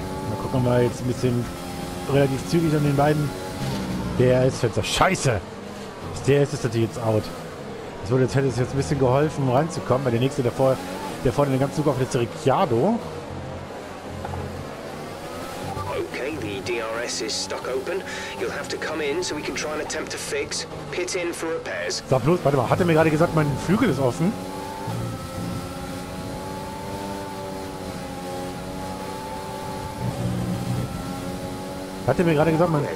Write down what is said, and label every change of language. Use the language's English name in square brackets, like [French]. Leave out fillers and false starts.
[German] Mal gucken, ob wir jetzt ein bisschen relativ zügig an den beiden DRS-Fenster. Scheiße! Das DRS ist natürlich jetzt out. Das würde jetzt, hätte es jetzt ein bisschen geholfen, um reinzukommen. Weil der nächste, der vorne den ganzen Zug auf, ist der Ricciardo. [English] Okay, the DRS is stuck open. You'll have to come in, so we can try and attempt to fix. Pit in for repairs. [German] Sag bloß, warte mal, hat er mir gerade gesagt, mein Flügel ist offen? Hat er mir gerade gesagt, man...